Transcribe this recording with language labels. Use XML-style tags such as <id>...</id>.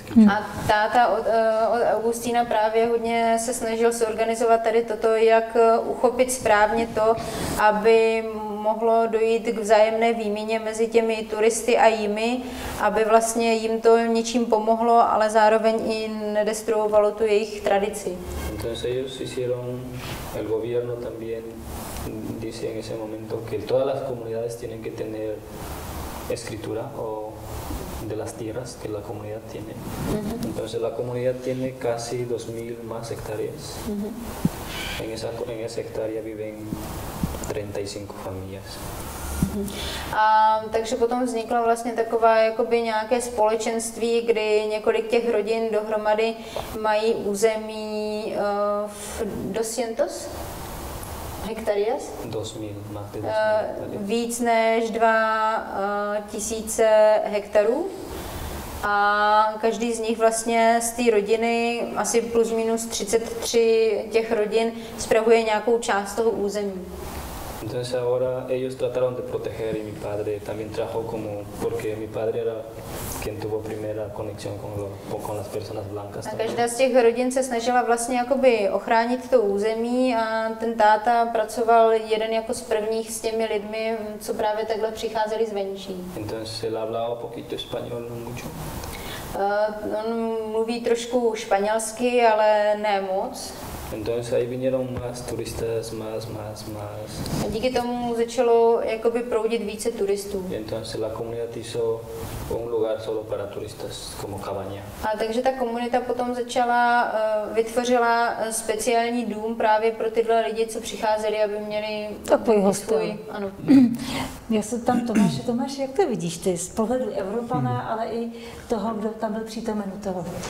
<cs>A táta od Augustína právě hodně se snažil zorganizovat tady toto, jak uchopit správně to, aby mohlo dojít k vzájemné výměně mezi těmi turisty a jimi, aby vlastně jim to něčím pomohlo, ale zároveň i nedestruovalo tu jejich tradici.</cs> <es>Entonces ellos hicieron el gobierno también dice en ese momento que todas las comunidades tienen que tener escritura o de las tierras que la comunidad tiene. Uh-huh. Entonces la comunidad tiene casi 2000 más hectáreas. Uh-huh. En esa hectárea viven 35 familias.</es> <cs>A takže potom vznikla vlastně taková jakoby nějaké společenství, kdy několik těch rodin dohromady mají území v 200 hectáreas? 2000, máte 2000. Víc než 2000 hektarů. A každý z nich vlastně z té rodiny, asi plus minus 33 těch rodin, spravuje nějakou část toho území.</cs> <es>Entonces ahora ellos trataron de proteger y mi padre también trajo como porque mi padre era quien tuvo primera conexión con las personas blancas.</es> <cs>A každá z těch rodin se snažila vlastně jakoby ochránit to území a ten táta pracoval jeden jako z prvních s těmi lidmi, co právě takhle přicházeli zvenčí.</cs> <es>Entonces él hablaba poquito español, no mucho.</es> <cs>On mluví trošku španělsky, ale ne moc.</cs> <es>Entonces ahí vinieron más turistas, más.</es> <cs>A díky tomu začalo jakoby proudit více turistů.</cs> <es>Entonces la comunidad hizo un lugar solo para turistas, como cabaña.</es> <cs>A takže ta komunita potom začala, vytvořila speciální dům právě pro tyhle lidi, co přicházeli, aby měli takový hostel. Ano. Já se tam, Tomáš, jak to vidíš ty z pohledu Evropana, ale i toho, kdo tam byl přítomen u toho?</cs>